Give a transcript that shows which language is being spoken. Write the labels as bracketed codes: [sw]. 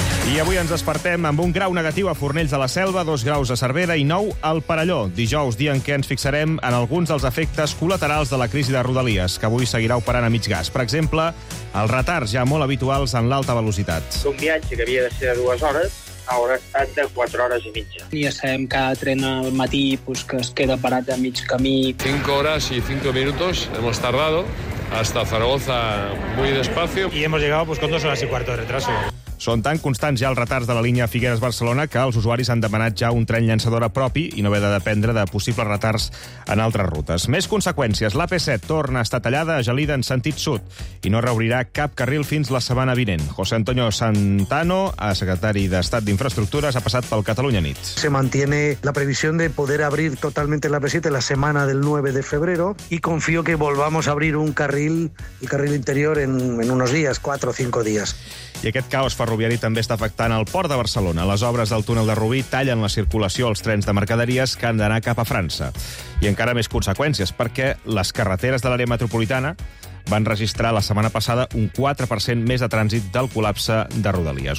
[ca] I avui ens despertem amb un grau negatiu a Fornells de la Selva, 2 graus a Cervera i 9 al Perelló. Dijous, dia en què ens fixarem en alguns dels efectes col·laterals de la crisi de Rodalies, que avui seguirà operant a mig gas. Per exemple, els retards ja molt habituals en l'alta velocitat. Un viatge que havia de ser de 2 hores, ara ha estat de 4 hores i mitja. Ja sabem que cada tren al matí pues, que es queda parat a mig camí. [es] 5 horas y 5 minutos, hemos tardado hasta Zaragoza muy despacio. Y hemos llegado pues, con 2 horas y cuarto de retraso. [ca] Són tan constants ja els retards de la línia Figueres-Barcelona que els usuaris han demanat ja un tren llançador a propi i no haver de dependre de possibles retards en altres rutes. Més conseqüències. L'AP7 torna a estar tallada a Gelida en sentit sud i no reobrirà cap carril fins la setmana vinent. José Antonio Santano, secretari d'Estat d'Infraestructures, ha passat pel Catalunya Nit. [es] Se mantiene la previsión de poder abrir totalmente la AP7 la semana del 9 de febrero y confío que volvamos a abrir un carril, el carril interior, en unos días, 4 o 5 días. [ca] I aquest caos ferroviari també està afectant el port de Barcelona. Les obres del túnel de Rubí tallen la circulació als trens de mercaderies que han d'anar cap a França. I encara més conseqüències, perquè les carreteres de l'àrea metropolitana van registrar la setmana passada un 4% més de trànsit del col·lapse de Rodalies.